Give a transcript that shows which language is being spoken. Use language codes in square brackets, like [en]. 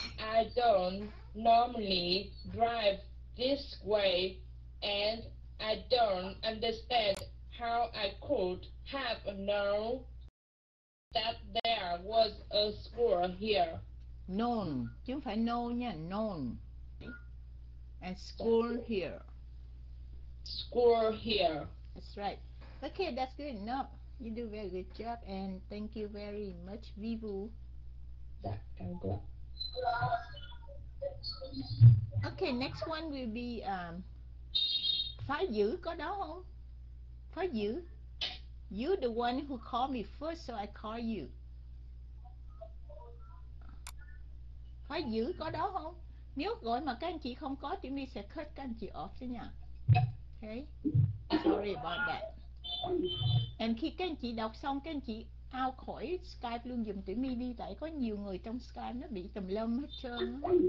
[en] I don't normally drive this way, and I don't understand how I could have known that there was a school here. [vi] Known, chứ không phải know nha, known. [en] A school here. School here. That's right. Okay, that's good enough. You do a very good job, and thank you very much, Vivu. Okay, next one will be Phá Dữ, [vi] có đó không? Phá Dữ. [en] You the one who called me first, so I call you. [vi] Phá Dữ có đó không? Nếu gọi mà các anh chị không có thì mình sẽ cut các anh chị off thế nhỉ? Okay. [en] Sorry about that. [vi] And khi các anh chị đọc xong, các anh chị out khỏi Skype luôn dùm tụi mi đi, tại có nhiều người trong Skype nó bị tùm lum hết trơn.